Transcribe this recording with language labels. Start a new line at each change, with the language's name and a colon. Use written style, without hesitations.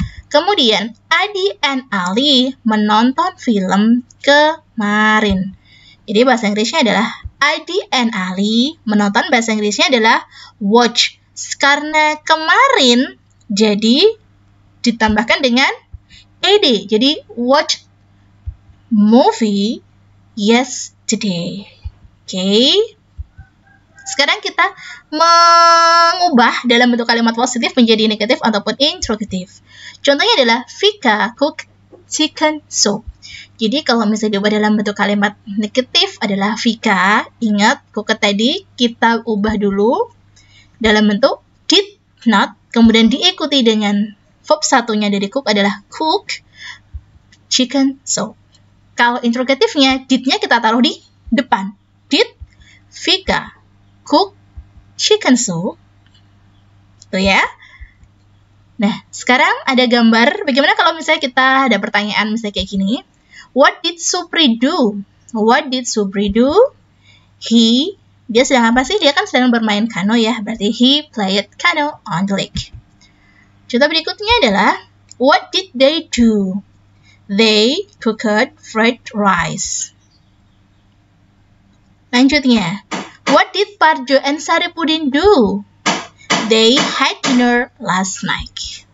Indonesian: Kemudian, Adi and Ali menonton film kemarin. Jadi bahasa Inggrisnya adalah Adi and Ali menonton, bahasa Inggrisnya adalah watch. Karena kemarin, jadi ditambahkan dengan ed.
English: Jadi watch movie yesterday.
Indonesian: Okay. Sekarang kita mengubah dalam bentuk kalimat positif menjadi negatif ataupun interrogative. Contohnya adalah
English: Vika cook chicken soup.
Indonesian: Jadi kalau misalnya diubah dalam bentuk kalimat negatif adalah Vika, ingat cook tadi kita ubah dulu dalam bentuk
English: did not,
Indonesian: kemudian diikuti dengan verb satunya dari cook adalah
English: cook chicken soup.
Indonesian: Kalau interrogative-nya, did-nya kita taruh di depan.
English: Did Vika cook chicken soup?
Indonesian: Tuh ya. Nah, sekarang ada gambar. Bagaimana kalau misalnya kita ada pertanyaan misalnya kayak gini.
English: What did Supri do? What did Supri do? He,
Indonesian: dia sedang apa sih? Dia kan sedang bermain kano ya.
English: Berarti he played kano on the lake.
Indonesian: Contoh berikutnya adalah
English: what did they do? They cooked fried rice. Lanjutnya, what did Parjo and Saripudin do? They had dinner last night.